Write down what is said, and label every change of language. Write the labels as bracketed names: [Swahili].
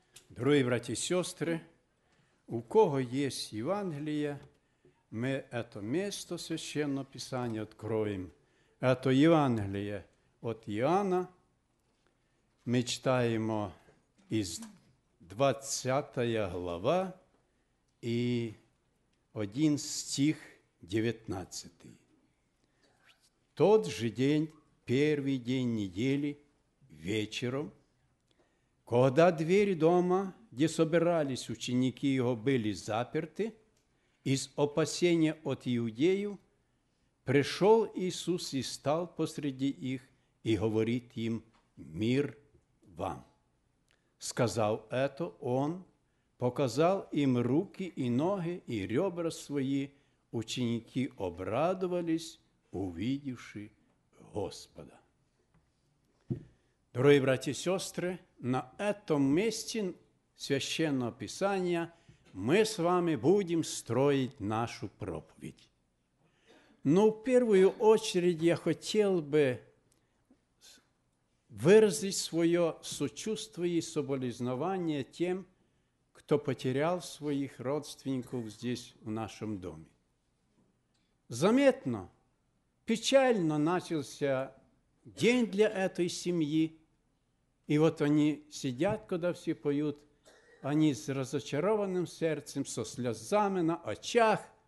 [Ukrainian] Дорогі браті і сестри, у кого є Євангеліє, ми це місто священне Писання відкроємо. Це Євангеліє від Іоанна. Ми читаємо із 20 глава і один стих 19. [Russian] Тот же день, первый день недели, вечером, когда двери дома, где собирались ученики его, были заперты, из опасения от иудеев, пришел Иисус и стал посреди их и говорит им: «Мир вам!» Сказал это он, показал им руки и ноги и ребра свои, ученики обрадовались, увидевши Господа. [Ukrainian] Дорогі браті і сестри, [Russian] на этом [Ukrainian] місці священного Писання ми з вами будемо строїти нашу проповідь. Ну, в першу чергу я хотів би виразити своє сочувство і соболізнування тим, хто потеряв своїх родственників здесь, в нашому домі. [Russian] Замітно, печально начался день для этой семьи. И вот они сидят, когда все поют, они с разочарованным сердцем, со слезами на очах.